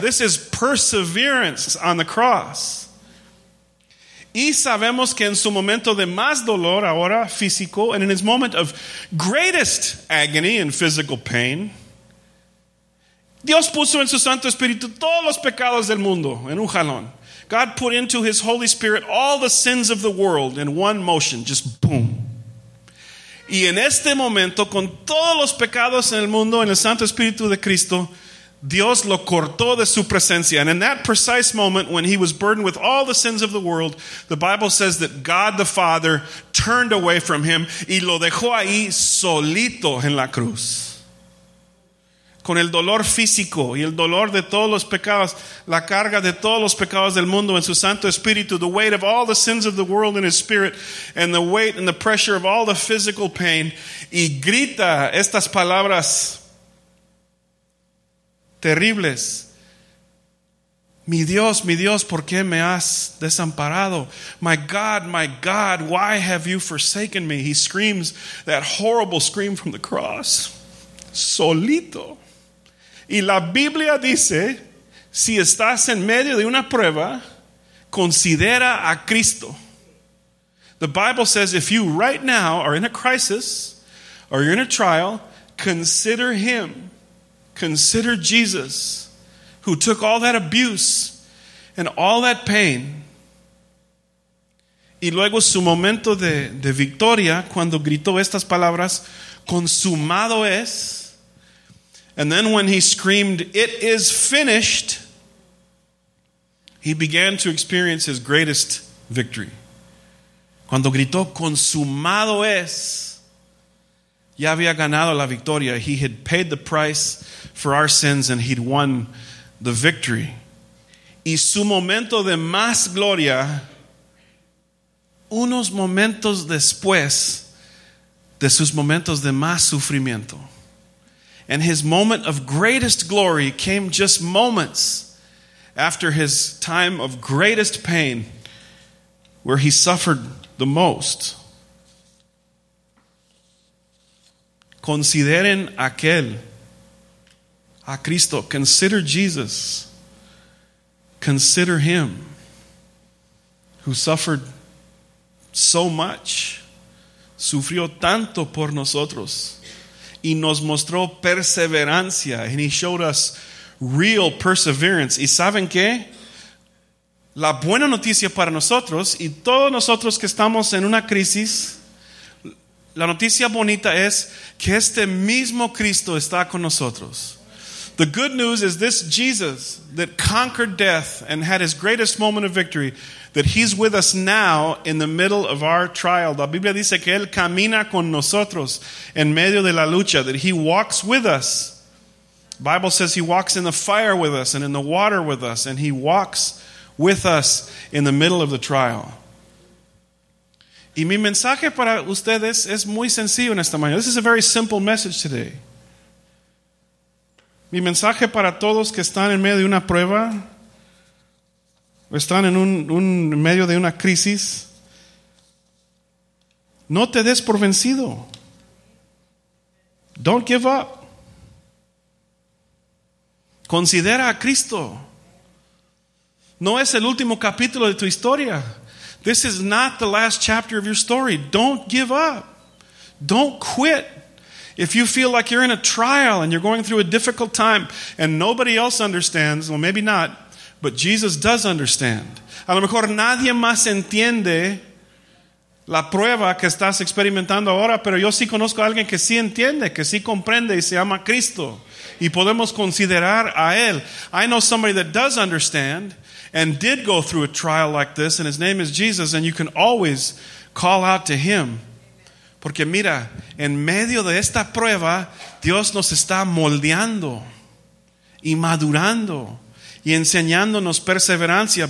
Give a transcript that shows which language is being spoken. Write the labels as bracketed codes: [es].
[en] This is perseverance on the cross. [es] Y sabemos que en su momento de más dolor ahora físico, [en] and in his moment of greatest agony and physical pain, [es] Dios puso en su Santo Espíritu todos los pecados del mundo en un jalón. [en] God put into his Holy Spirit all the sins of the world in one motion, just boom. [es] Y en este momento, con todos los pecados en el mundo en el Santo Espíritu de Cristo, Dios lo cortó de su presencia. [en] And in that precise moment, when he was burdened with all the sins of the world, the Bible says that God the Father turned away from him [es] y lo dejó ahí solito en la cruz. Con el dolor físico y el dolor de todos los pecados, la carga de todos los pecados del mundo en su Santo Espíritu, [en] the weight of all the sins of the world in his spirit, and the weight and the pressure of all the physical pain, [es] y grita estas palabras terribles. mi Dios, ¿por qué me has desamparado? [en] My God, why have you forsaken me? He screams that horrible scream from the cross, [es] solito. Y la Biblia dice, si estás en medio de una prueba, considera a Cristo. [en] The Bible says, if you right now are in a crisis, or you're in a trial, consider him. Consider Jesus, who took all that abuse and all that pain. [es] Y luego su momento de victoria, cuando gritó estas palabras, consumado es. [en] And then when he screamed, it is finished, he began to experience his greatest victory. [es] Cuando gritó, consumado es, ya había ganado la victoria. [en] He had paid the price for our sins and he'd won the victory. [es] Y su momento de más gloria, unos momentos después de sus momentos de más sufrimiento. [en] And his moment of greatest glory came just moments after his time of greatest pain, where he suffered the most. [es] Consideren aquel, a Cristo. [en] Consider Jesus. Consider him who suffered so much, [es] sufrió tanto por nosotros, y nos mostró perseverancia, [en] and he showed us real perseverance. [es] Y saben qué? La buena noticia para nosotros y todos nosotros que estamos en una crisis, la noticia bonita es que este mismo Cristo está con nosotros. [en] The good news is this Jesus that conquered death and had his greatest moment of victory, that he's with us now in the middle of our trial. [es] La Biblia dice que él camina con nosotros en medio de la lucha, [en] that he walks with us. Bible says he walks in the fire with us and in the water with us, and he walks with us in the middle of the trial. [es] Y mi mensaje para ustedes es muy sencillo en esta mañana. [en] This is a very simple message today. [es] Mi mensaje para todos que están en medio de una prueba, o están en un medio de una crisis, no te des por vencido. [en] Don't give up. [es] Considera a Cristo. No es el último capítulo de tu historia. [en] This is not the last chapter of your story. Don't give up. Don't quit. If you feel like you're in a trial and you're going through a difficult time and nobody else understands, well, maybe not, but Jesus does understand. [es] A lo mejor nadie más entiende la prueba que estás experimentando ahora, pero yo sí conozco a alguien que sí entiende, que sí comprende y se llama Cristo. Y podemos considerar a él. [en] I know somebody that does understand and did go through a trial like this, and his name is Jesus, and you can always call out to him. [es] Porque mira, en medio de esta prueba, Dios nos está moldeando y madurando y enseñándonos perseverancia.